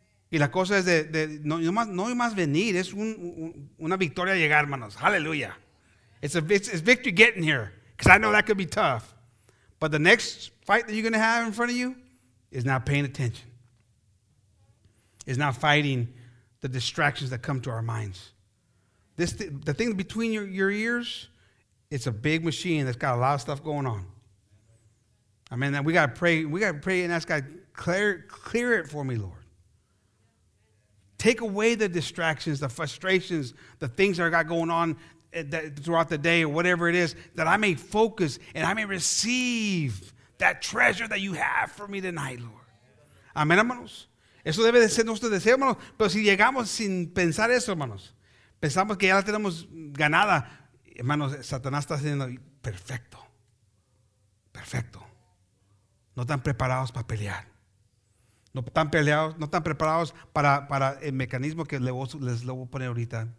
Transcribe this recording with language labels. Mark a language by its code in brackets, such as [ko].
[es] Y la cosa es de no más venir, es una victoria llegar, hermanos. [en] Hallelujah. It's victory getting here, because I know that could be tough. But the next fight that you're going to have in front of you is not paying attention. It's not fighting the distractions that come to our minds. The thing between your ears, it's a big machine that's got a lot of stuff going on. Amen. And we got to pray. We got to pray and ask God, clear it for me, Lord. Take away the distractions, the frustrations, the things that I got going on throughout the day or whatever it is, that I may focus and I may receive that treasure that you have for me tonight, Lord. [es] Amén, hermanos. Eso debe de ser nuestro deseo, hermanos. Pero si llegamos sin pensar eso, hermanos, pensamos que ya la tenemos ganada, hermanos, Satanás está haciendo perfecto. Perfecto. No están preparados para pelear. No están preparados para el mecanismo que les lo voy a poner ahorita.